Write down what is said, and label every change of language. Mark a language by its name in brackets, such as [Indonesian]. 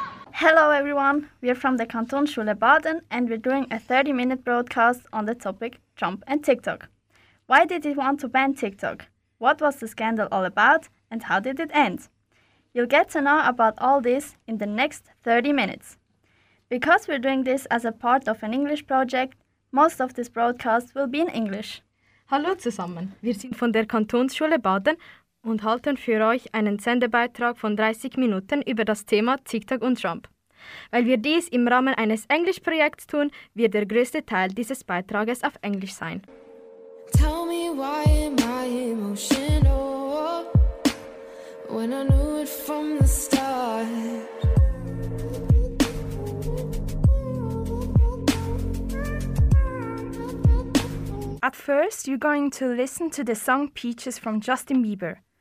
[English] Hello everyone, we're from the Kantonsschule Baden and we're doing a 30-minute broadcast on the topic Trump and TikTok. Why did he want to ban TikTok? What was the scandal all about and how did it end? You'll get to know about all this in the next 30 minutes. Because we're doing this as a part of an English project, most of this broadcast will be in English. [German] Hallo zusammen, wir sind von der Kantonsschule Baden und halten für euch einen Sendebeitrag von 30 Minuten über das Thema TikTok und Trump. Weil wir dies im Rahmen eines Englischprojekts tun, wird der größte Teil dieses Beitrages auf Englisch sein. [English] Tell me why am I emotional when I knew it from the start? At first, you're going to listen to the song Peaches from Justin Bieber.